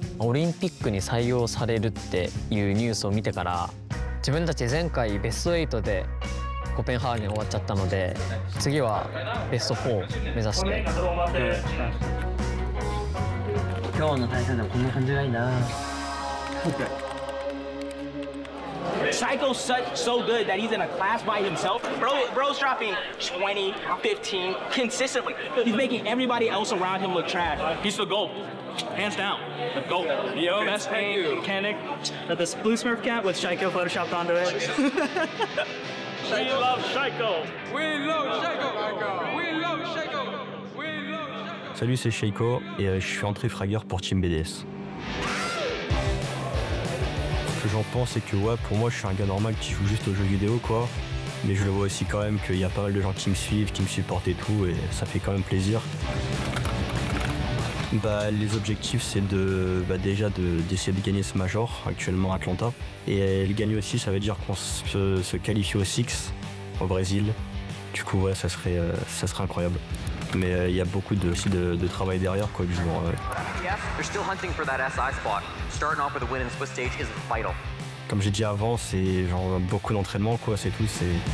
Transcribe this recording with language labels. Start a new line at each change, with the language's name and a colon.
Japanese: オリンピックに採用されるっていうニュースを見てから、自分たち前回ベスト8でコペンハーゲン終わっちゃったので、次はベスト4目指して。今日の対戦でもこんな感じがいいな。
English: Psycho's so good that he's in a class by himself. Bro's dropping 20, 15 consistently. He's making everybody else around him look trash. He's the GOAT, hands down. The GOAT. Yo, best paint mechanic. Got this blue Smurf cat with Psycho photoshopped onto it. We love Psycho. We love Psycho. We love Psycho. We love Psycho.
French: Salut, c'est Psycho et je suis entré fragueur pour Team BDS. Ce que j'en pense, c'est que ouais, pour moi, je suis un gars normal qui joue juste aux jeux vidéo, quoi. Mais je le vois aussi quand même qu'il y a pas mal de gens qui me suivent, qui me supportent et tout, et ça fait quand même plaisir. Bah, les objectifs, c'est de bah, déjà de, d'essayer de gagner ce major, actuellement Atlanta. Et le gagner aussi, ça veut dire qu'on se qualifie au Six, au Brésil. Du coup, ouais, ça serait incroyable. Mais il y a beaucoup de travail derrière, quoi, du genre. Ouais.
English: They're still hunting for that SI spot. Starting off with a win in Swiss stage is vital.
French: Comme j'ai dit avant, c'est genre beaucoup d'entraînement, quoi, c'est tout, c'est...